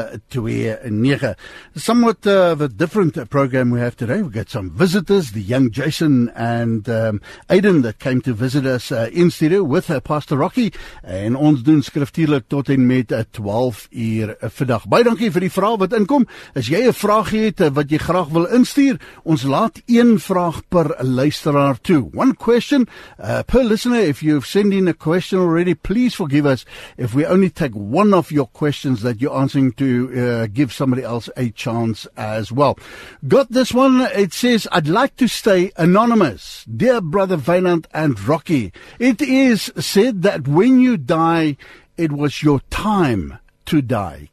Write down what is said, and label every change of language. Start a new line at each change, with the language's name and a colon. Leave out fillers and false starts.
English: 0826572729. Somewhat of a different program we have today. We've got some visitors, the young Jason and Aiden that came to visit us in studio with Pastor Rocky.
Afrikaans: En ons doen skriftuurlik tot en met 12 uur vandag. Baie dankie vir die vraag wat inkom. As jy 'n vraag het wat jy graag wil instuur, ons laat een vraag per luisteraar toe.
English: One question per listener. If you've sent in a question already, please forgive us if we only take one of your questions that you're answering to give somebody else a chance as well. Got this one. It says, I'd like to stay anonymous. Dear Brother Wynand and Rocky, it is said that when you die, it was your time to die.